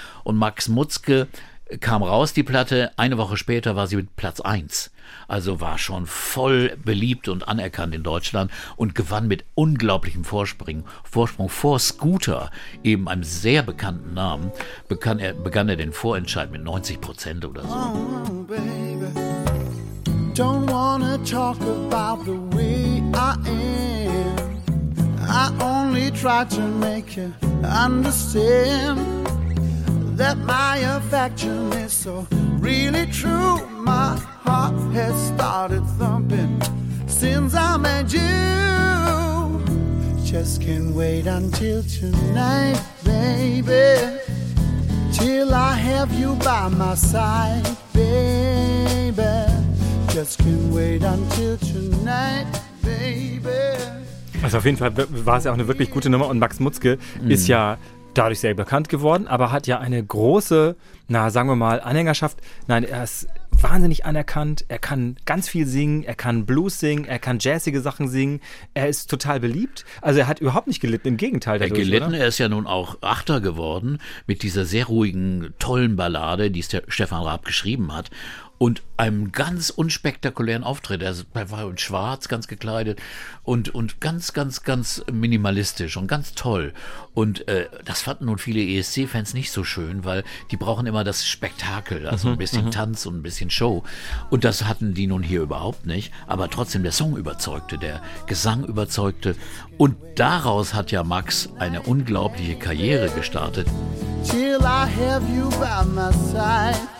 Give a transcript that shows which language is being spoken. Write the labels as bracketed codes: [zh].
[de] Und Max Mutzke kam raus, die Platte. Eine Woche später war sie mit Platz 1. Also war schon voll beliebt und anerkannt in Deutschland und gewann mit unglaublichem Vorsprung vor Scooter, eben einem sehr bekannten Namen, begann er den Vorentscheid mit 90% oder so. [en] Oh, baby, don't wanna talk about the way I am. I only try to make you understand that my affection is so really true. My heart has started thumping since I met you. Just can't wait until tonight, baby, till I have you by my side, baby. Just can't wait until tonight, baby. [de] Also auf jeden Fall war es ja auch eine wirklich gute Nummer und Max Mutzke ist ja dadurch sehr bekannt geworden, aber hat ja eine große, na sagen wir mal, Anhängerschaft. Nein, er ist wahnsinnig anerkannt, er kann ganz viel singen, er kann Blues singen, er kann jazzige Sachen singen, er ist total beliebt. Also er hat überhaupt nicht gelitten, im Gegenteil. Dadurch, er ist ja nun auch Achter geworden mit dieser sehr ruhigen, tollen Ballade, die Stefan Raab geschrieben hat. Und einem ganz unspektakulären Auftritt. Er war in Schwarz ganz gekleidet und ganz, ganz, ganz minimalistisch und ganz toll. Und das fanden nun viele ESC-Fans nicht so schön, weil die brauchen immer das Spektakel, also ein bisschen Tanz und ein bisschen Show. Und das hatten die nun hier überhaupt nicht. Aber trotzdem, der Song überzeugte, der Gesang überzeugte. Und daraus hat ja Max eine unglaubliche Karriere gestartet. [en] Till I have you by my side.